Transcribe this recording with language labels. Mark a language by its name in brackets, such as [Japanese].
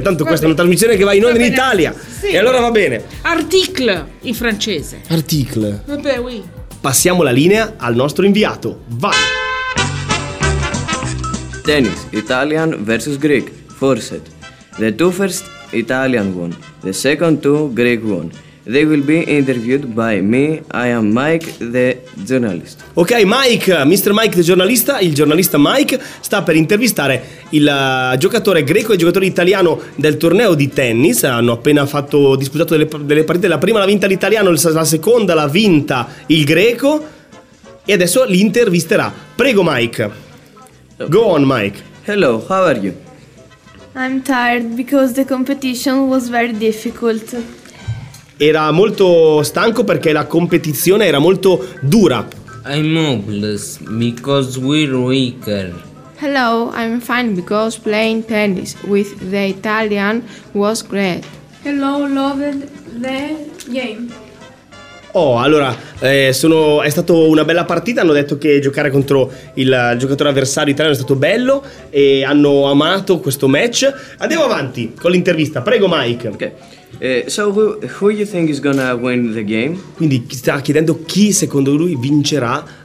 [Italian] Tanto va questa bene. È una trasmissione che va in onda in Italia. Sì. E allora va bene. Article in francese. [French] Article. [Italian] Vabbè, oui. Passiamo la linea al nostro inviato. Vai. [English] Tennis, Italian versus Greek, forced. The two first Italian won, the second two Greek won. They will be interviewed by me, I am Mike the journalist. Ok Mike, Mr. Mike the journalist, [Italian] il giornalista Mike sta per intervistare il giocatore greco e il giocatore italiano del torneo di tennis. Hanno appena fatto disputato delle partite, la prima l'ha vinta l'italiano, la seconda l'ha vinta il greco e adesso li intervisterà. Prego Mike. [English] Go on, Mike. Hello, how are you? I'm tired because the competition was very difficult. [Italian] Era molto stanco perché la competizione era molto dura. [English] I'm hopeless because we're weaker. Hello, I'm fine because playing tennis with the Italian was great. Hello, loved the game. [Italian] Oh, allora, è stata una bella partita, hanno detto che giocare contro il giocatore avversario italiano è stato bello e hanno amato questo match. Andiamo avanti con l'intervista, prego Mike. [English] Ok, so who you think is gonna win the game? [Italian] Quindi sta chiedendo chi secondo lui vincerà